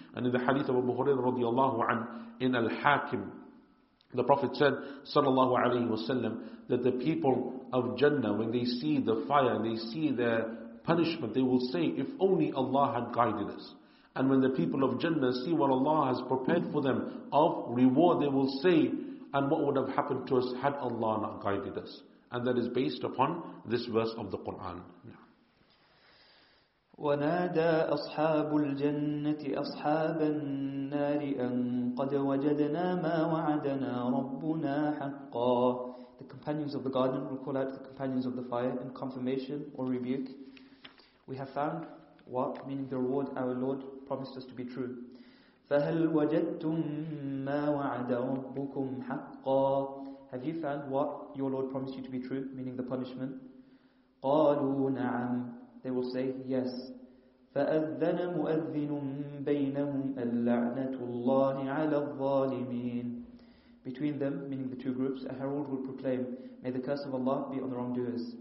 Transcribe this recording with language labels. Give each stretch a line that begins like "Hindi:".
English: And in the hadith of Abu Hurairah radiallahu anhu in Al-Hakim, the Prophet said, sallallahu alayhi wa sallam, that the people of Jannah, when they see the fire, they see their punishment, they will say, if only Allah had guided us. And when the people of Jannah see what Allah has prepared for them of reward, they will say, and what would have happened to us had Allah not guided us. And that is based upon this verse of the Quran.
Arabic: ونادى أصحاب الجنة أصحاب النار أن قد وجدنا ما وعدنا ربنا حقا.
English: The companions of the garden will call out to the companions of the fire in confirmation or rebuke. We have found what, meaning the reward our Lord promised us to be true.
Arabic: فهل وجدتم ما وعد ربكم حقا.
English: Have you found what your Lord promised you to be true, meaning the punishment?
Arabic: قالوا نعم.
English: They will say, yes.
Arabic: فَأَذَّنَ مُؤَذِّنٌ بَيْنَهُمْ أَلَّعْنَةُ اللَّهِ عَلَى الظَّالِمِينَ.
English: Between them, meaning the two groups, a herald will proclaim, may the curse of Allah be on the wrongdoers.